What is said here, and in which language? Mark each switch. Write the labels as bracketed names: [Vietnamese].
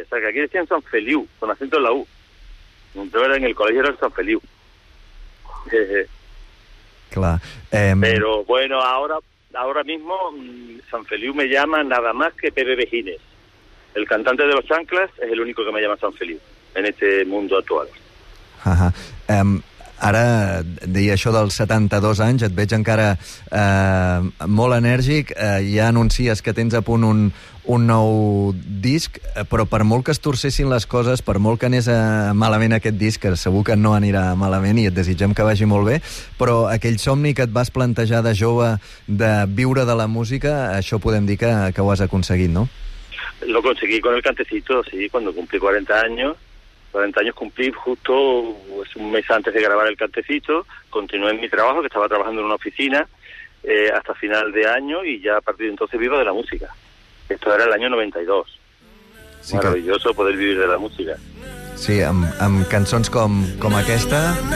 [Spanish] O sea, que aquí decían San Feliu, con acento en la U. Entonces era en el colegio, era el San Feliu. Claro. Pero bueno, ahora mismo San Feliu me llama nada más que Pepe Vejines. El cantante de Los Chanclas es el único que me llama San Feliu en este mundo actual. Ajá. [Catalan] Ara, deia això dels 72 anys, et veig encara molt enèrgic, ja anuncies que tens a punt un nou disc, però per molt que es torcessin les coses, per molt que anés malament aquest disc, segur que no anirà malament i et desitgem que vagi molt bé, però aquell somni que et vas plantejar de jove de viure de la música, això podem dir que ho has aconseguit, no? [Spanish] Lo conseguí con el cantecito, sí, cuando cumplí 40 años. 40 años cumplí justo pues, un mes antes de grabar el cantecito. Continué en mi trabajo, que estaba trabajando en una oficina, hasta final de año, y ya a partir de entonces vivo de la música. Esto era el año 92. Sí, maravilloso que... poder vivir de la música. [Catalan] Sí, amb cançons com aquesta.